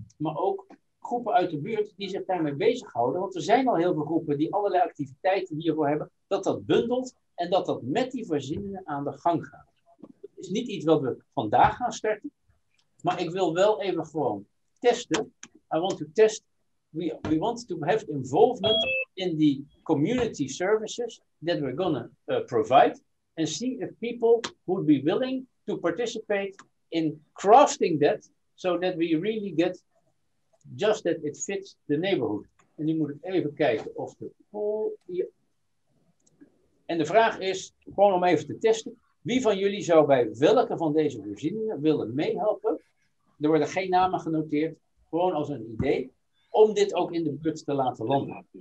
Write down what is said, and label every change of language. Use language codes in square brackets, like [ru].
[nl] Maar ook groepen uit de buurt die zich daarmee bezighouden. Want er zijn al heel veel groepen die allerlei activiteiten hiervoor hebben, dat bundelt. En dat met die voorzieningen aan de gang gaat. Het is niet iets wat we vandaag gaan starten. Maar ik wil wel even gewoon testen. [en] I want to test. We want to have involvement in the community services that we're going to provide. And see if people would be willing to participate in crafting that. So that we really get just that it fits the neighborhood. [nl] En nu moet ik even kijken of de pool hier. En de vraag is, gewoon om even te testen, wie van jullie zou bij welke van deze voorzieningen willen meehelpen? Er worden geen namen genoteerd, gewoon als een idee, om dit ook in de buurt te laten landen.